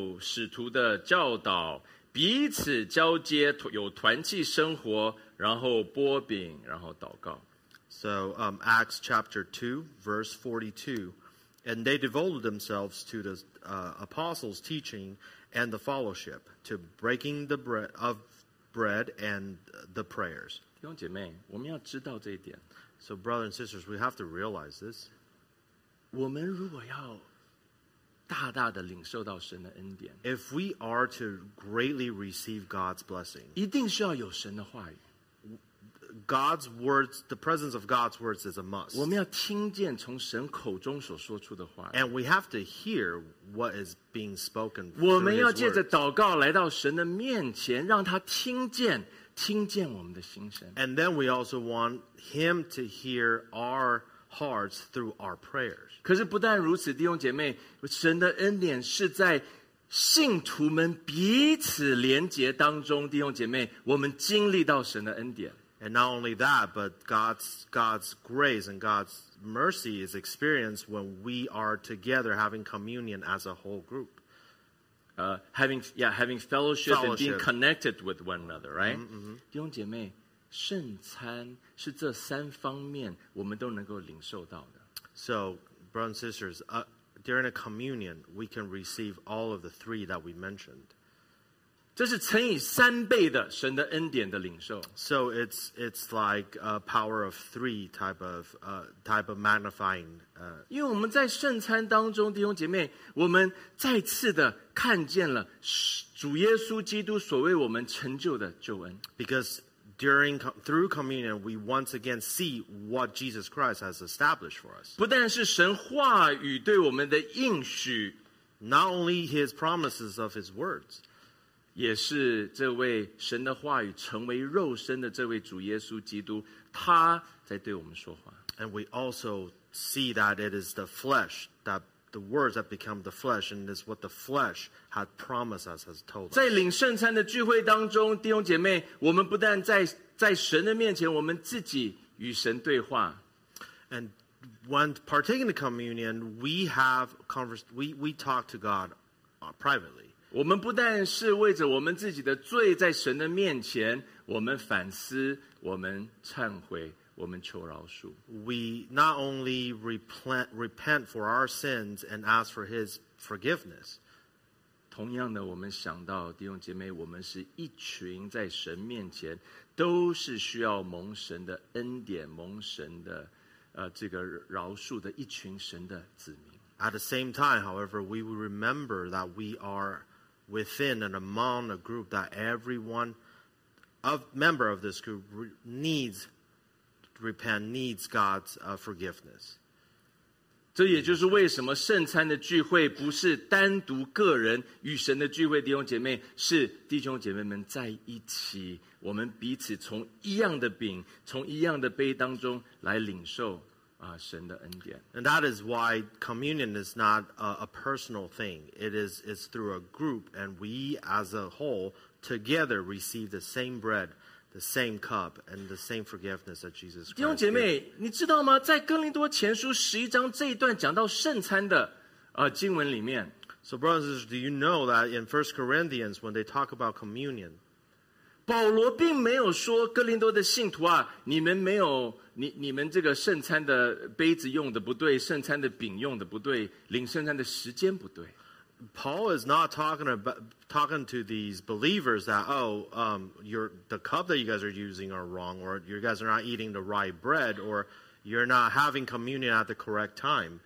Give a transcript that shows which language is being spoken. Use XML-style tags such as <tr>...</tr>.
<zh>在使徒行传第二章42节，他说，信徒们就怎么样，谨守使徒的教导。彼此交接，有团契生活，然后擘饼，然后祷告。So</zh> <en>Acts chapter 2, verse 42. And they devoted themselves to the apostles' teaching and the fellowship, to breaking the bread and the prayers.</en> <zh>弟兄姐妹，我们要知道这一点。So</zh> <en>brothers and sisters, we have to realize this.</en> <zh>我们如果要大大的领受到神的恩典。</zh> <en>If we are to greatly receive God's blessing,</en> <zh>一定需要有神的话语。</zh> <en>God's words, the presence of God's words is a must.</en> <zh>我们要听见从神口中所说出的话。</zh> <en>And we have to hear what is being spoken.</en> <zh>我们要借着祷告来到神的面前，让他听见，听见我们的心声。</zh> <en>And then we also want Him to hear our hearts through our prayers.</en> <zh>可是不但如此，弟兄姐妹，神的恩典是在信徒们彼此连结当中，弟兄姐妹，我们经历到神的恩典。</zh> <en>And not only that, but God's grace and God's mercy is experienced when we are together having communion as a whole group. Having fellowship and being connected with one another, right? Mm-hmm.</en> <zh>弟兄姐妹，圣餐是这三方面我们都能够领受到的。</zh> <en>So, brothers and sisters, during a communion, we can receive all of the three that we mentioned.</en> <zh>这是乘以三倍的神的恩典的领受。</zh> <en>So it's like a power of three type of magnifying.</en> <zh>因为我们在圣餐当中，弟兄姐妹，我们再次的看见了主耶稣基督所为我们成就的救恩。</zh> <en>Because through communion, we once again see what Jesus Christ has established for us.</en> <zh>不但是神话语对我们的应许</zh> <en>，not only His promises of His words.</en> <zh>也是这位神的话语成为肉身的这位主耶稣基督，他在对我们说话。</zh> <en>And we also see that it is the flesh, that the words that become the flesh, and is what the flesh had promised us, has told us.</en> <zh>在领圣餐的聚会当中，弟兄姐妹，我们不但在神的面前，我们自己与神对话。</zh> <en>And when partaking the communion, we talk to God privately.</en> <zh>我们不但是为着我们自己的罪在神的面前，我们反思，我们忏悔，我们求饶恕。</zh> <en>We not only repent for our sins and ask for His forgiveness.</en> <zh>同样的，我们想到弟兄姐妹，我们是一群在神面前都是需要蒙神的恩典、蒙神的这个饶恕的一群神的子民。</zh> <en>At the same time, however, we will remember that we areWithin and among a group that everyone, a member of this group needs repent, needs God's forgiveness.</en> <zh>这也就是为什么圣餐的聚会不是单独个人与神的聚会，弟兄姐妹，是弟兄姐妹们在一起，我们彼此从一样的饼，从一样的杯当中来领受神的恩典。</zh> <en>And that is why communion is not a personal thing. It's through a group, and we as a whole together receive the same bread, the same cup, and the same forgiveness that Jesus Christ.</en> <zh>弟兄姐妹，你知道吗？在哥林多前书十一章这一段讲到圣餐的经文里面。</zh> <en>So brothers, do you know that in 1 Corinthians when they talk about communion,</en> <zh>保罗并没有说哥林多的信徒啊，你们没有。你们这个圣餐的杯子用的不对，圣餐的饼用的不对，领圣餐的时间不对。</zh> <en>Paul is not talking to these believers that, the cup that you guys are using are wrong, or you guys are not eating the right bread, or you're not having communion at the correct time.</en>